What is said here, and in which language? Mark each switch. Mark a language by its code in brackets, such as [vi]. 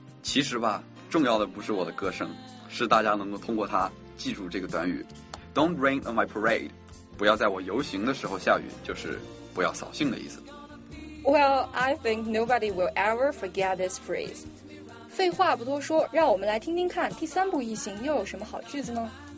[zh] 其实吧，重要的不是我的歌声，是大家能够通过它记住这个短语。 [en] Don't rain on my parade. [zh] 不要在我游行的时候下雨，就是不要扫兴的意思。 [en] Well, I think nobody will ever forget this phrase. [zh] 废话不多说，让我们来听听看第三步异形又有什么好句子呢？